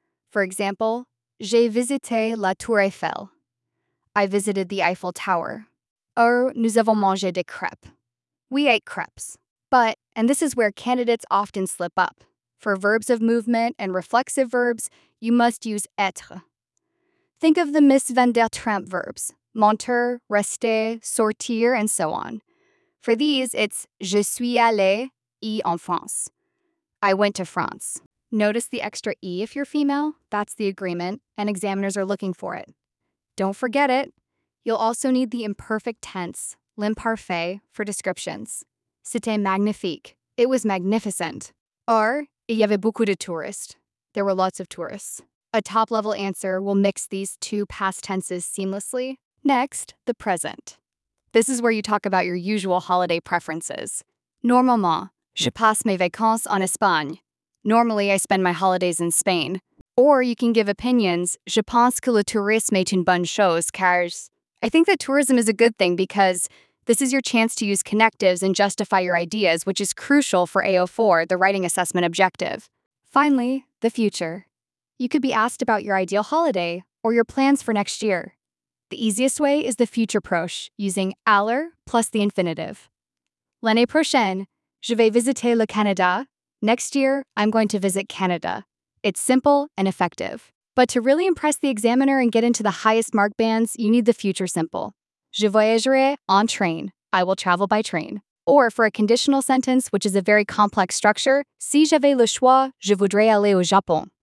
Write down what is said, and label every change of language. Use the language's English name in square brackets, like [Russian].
[English] For example, [French] j'ai visité la Tour Eiffel. [English] I visited the Eiffel Tower. [French] Or nous avons mangé des crêpes. [English] We ate crêpes. But, and this is where candidates often slip up, for verbs of movement and reflexive verbs, you must use être. Think of the Miss Van der Tramp verbs, monter, rester, sortir, and so on. For these, it's [French] je suis allé y en France. [English] I went to France. Notice the extra E if you're female. That's the agreement, and examiners are looking for it. Don't forget it. You'll also need the imperfect tense, l'imparfait, for descriptions. [French] C'était magnifique. [English] It was magnificent. [French] Or, il y avait beaucoup de touristes. [English] There were lots of tourists. A top-level answer will mix these two past tenses seamlessly. Next, the present. This is where you talk about your usual holiday preferences. [French] Normalement, je passe mes vacances en Espagne. [English] Normally, I spend my holidays in Spain. Or you can give opinions, [French] je pense que le tourisme est une bonne chose, car [English] I think that tourism is a good thing because this is your chance to use connectives and justify your ideas, which is crucial for AO4, the writing assessment objective. Finally, the future. You could be asked about your ideal holiday or your plans for next year. The easiest way is the future proche, using aller plus the infinitive. [French] L'année prochaine, je vais visiter le Canada. [English] Next year, I'm going to visit Canada. It's simple and effective. But to really impress the examiner and get into the highest mark bands, you need the future simple. [French] Je voyagerai en train. [English] I will travel by train. Or for a conditional sentence, which is a very complex structure, [French] si j'avais le choix, je voudrais aller au Japon.